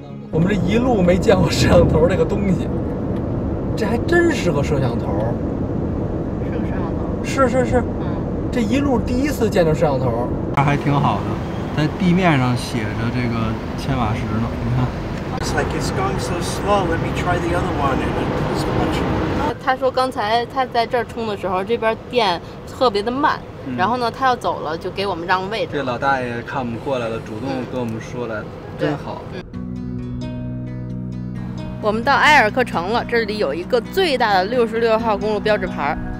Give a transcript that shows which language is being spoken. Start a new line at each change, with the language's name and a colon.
Chinese: 我们这一路没见过摄像头这个东西，这还真是个摄像头，是个摄像头，是是是，嗯，这一路第一次见着摄像头，那还挺好的，在地面上写着这个千瓦时呢，你看。
English: It's like it's going so slow. Let me try the other one, and it was much.
Chinese: 他说刚才他在这儿充的时候，这边电特别的慢。然后呢，他要走了，就给我们让位置。这老大爷看我们过来了，主动跟我们说来了，嗯，真好，嗯。我们到埃尔克城了，这里有一个最大的六十六号公路标志牌。